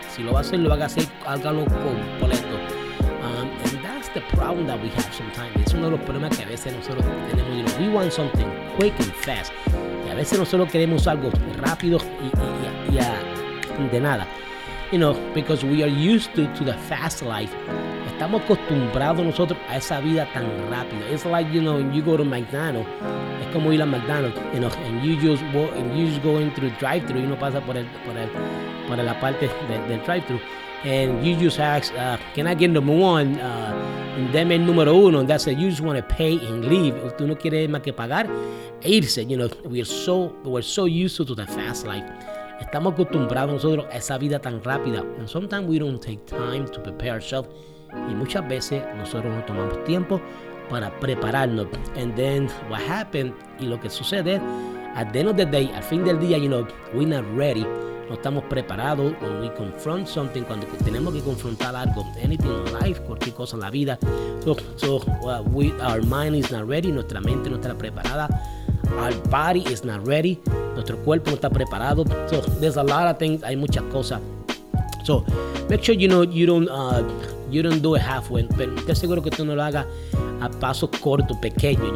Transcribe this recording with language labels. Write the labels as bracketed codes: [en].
[es] Si lo va a hacer, lo va a hacer, hágalo completo. [en] And that's the problem that we have sometimes. [es] Es uno de los problemas que a veces nosotros tenemos. [en] You know, we want something quick and fast. [es] Y a veces nosotros queremos algo rápido y de nada. [en] You know, because we are used to the fast life. [es] Estamos acostumbrados nosotros a esa vida tan rápida. [en] It's like, you know, when you go to McDonald's. [es] Es como ir a McDonald's, [en] you know, and you just go into the drive-thru. [es] Y uno pasa por la parte del drive-thru. [en] And you just ask, can I get number one? [es] Deme el número uno. [en] And that's it. You just want to pay and leave. [es] Tú no quieres más que pagar e irse. [en] You know, we're so used to the fast life. [es] Estamos acostumbrados nosotros a esa vida tan rápida. [en] And sometimes we don't take time to prepare ourselves. [es] Y muchas veces nosotros no tomamos tiempo para prepararnos. [en] And then what happened, [es] y lo que sucede, [en] at the end of the day, [es] al fin del día, [en] you know, we're not ready. [es] No estamos preparados. [en] When we confront something, [es] cuando tenemos que confrontar algo, [en] anything in life, [es] cualquier cosa en la vida. [en] Our mind is not ready. [es] Nuestra mente no está preparada. [en] Our body is not ready. [es] Nuestro cuerpo no está preparado. [en] So there's a lot of things. [es] Hay muchas cosas. [en] So make sure, you know, you don't do it halfway. [es] Pero te aseguro que tú no lo hagas a paso corto, pequeño.